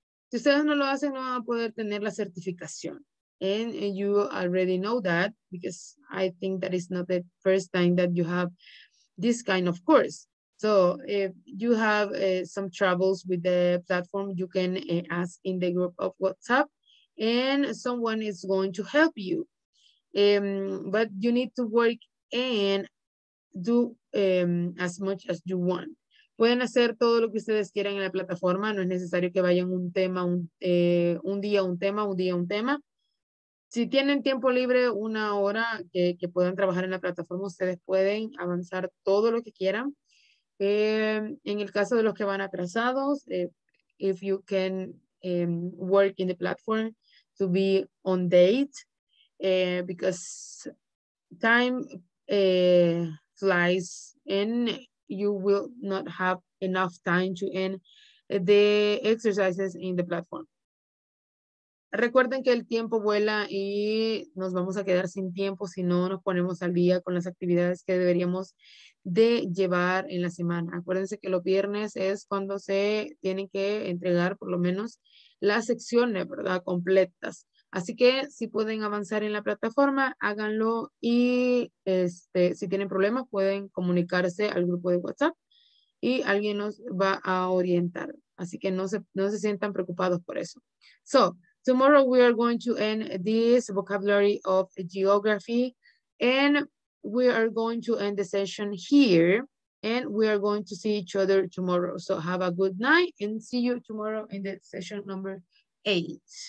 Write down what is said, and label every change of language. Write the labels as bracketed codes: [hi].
[es] si ustedes no lo hacen, no van a poder tener la certificación. [en] And you already know that because I think that is not the first time that you have this kind of course. So if you have some troubles with the platform, you can ask in the group of WhatsApp and someone is going to help you. But you need to work and do as much as you want. [es] Pueden hacer todo lo que ustedes quieran en la plataforma. No es necesario que vayan un tema, un día un tema, un día un tema. Si tienen tiempo libre, una hora que puedan trabajar en la plataforma, ustedes pueden avanzar todo lo que quieran. En el caso de los que van atrasados, [en] if you can work in the platform to be on date, because time flies and you will not have enough time to end the exercises in the platform. [es] Recuerden que el tiempo vuela y nos vamos a quedar sin tiempo si no nos ponemos al día con las actividades que deberíamos de llevar en la semana. Acuérdense que los viernes es cuando se tienen que entregar por lo menos las secciones, ¿verdad? Completas. Así que si pueden avanzar en la plataforma, háganlo y si tienen problemas pueden comunicarse al grupo de WhatsApp y alguien nos va a orientar. Así que no se sientan preocupados por eso. [en] So, tomorrow we are going to end this vocabulary of geography and we are going to end the session here and we are going to see each other tomorrow. So have a good night and see you tomorrow in the session number 8.